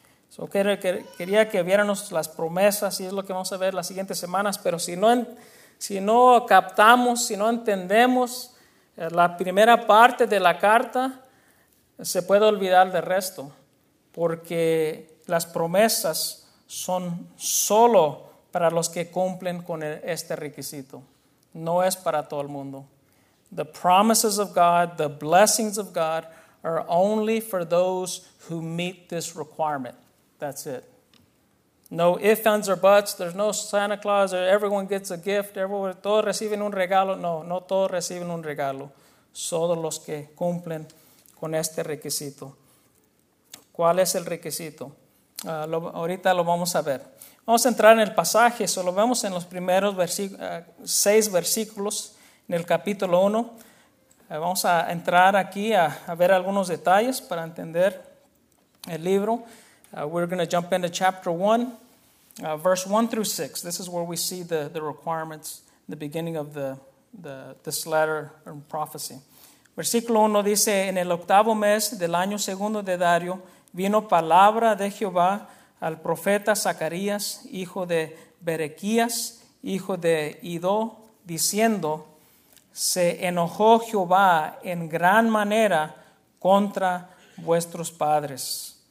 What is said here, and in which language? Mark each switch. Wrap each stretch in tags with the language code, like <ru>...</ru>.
<es>So, quería que viéramos las promesas y es lo que vamos a ver las siguientes semanas, pero si no captamos, si no entendemos la primera parte de la carta, se puede olvidar del resto, porque las promesas son solo para los que cumplen con este requisito, no es para todo el mundo.</es> <en>The promises of God, the blessings of God are only for those who meet this requirement. That's it. No ifs, ands, or buts. There's no Santa Claus or everyone gets a gift.</en> <es>Todos reciben un regalo. No todos reciben un regalo. Solo los que cumplen con este requisito. ¿Cuál es el requisito? Ahorita lo vamos a ver. Vamos a entrar en el pasaje. Solo vemos en los primeros seis versículos en el capítulo 1. Vamos a entrar aquí a ver algunos detalles para entender el libro.</es> <en>We're going to jump into chapter 1, verse 1 through 6. This is where we see the requirements, the beginning of this letter and prophecy.</en> <es>Versículo 1 dice, en el octavo mes del año segundo de Darío, vino palabra de Jehová al profeta Zacarías, hijo de Berequías, hijo de Ido, diciendo, se enojó Jehová en gran manera contra vuestros padres.</es>